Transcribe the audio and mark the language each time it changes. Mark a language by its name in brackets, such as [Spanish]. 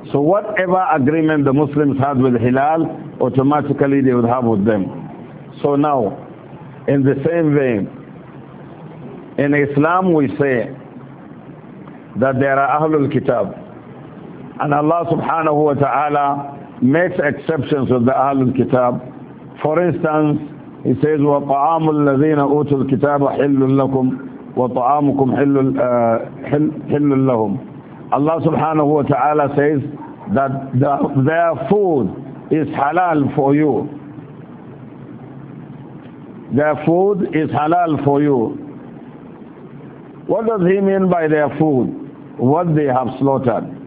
[English] So whatever agreement the Muslims had with Hilal, automatically they would have with them. So now, in the same vein, in Islam we say that there are Ahlul Kitab, and Allah subhanahu wa ta'ala makes exceptions with the Ahlul Kitab. For instance, He says, [Arabic] وَطَعَامُ الَّذِينَ أُوتُوا الْكِتَابَ حِلٌّ لَكُمْ وَطَعَامُكُمْ حِلٌّ لَهُمْ. [English] Allah subhanahu wa ta'ala says that their food is halal for you. Their food is halal for you. What does he mean by their food? What they have slaughtered.